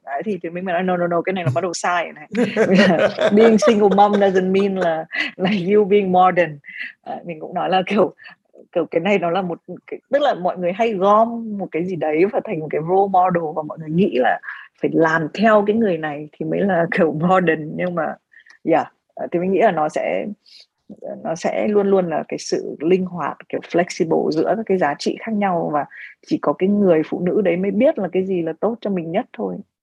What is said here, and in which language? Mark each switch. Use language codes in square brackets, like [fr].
[vi] Đấy, thì mình nói no, cái này là bắt đầu sai này. [en] Being single mom doesn't mean là you being modern. [vi] Mình cũng nói là kiểu cái này nó là một cái, tức là mọi người hay gom một cái gì đấy và thành một cái role model, và mọi người nghĩ là phải làm theo cái người này thì mới là kiểu modern, nhưng mà thì mình nghĩ là nó sẽ luôn luôn là cái sự linh hoạt, kiểu flexible giữa các cái giá trị khác nhau, và chỉ có cái người phụ nữ đấy mới biết là cái gì là tốt cho mình nhất thôi.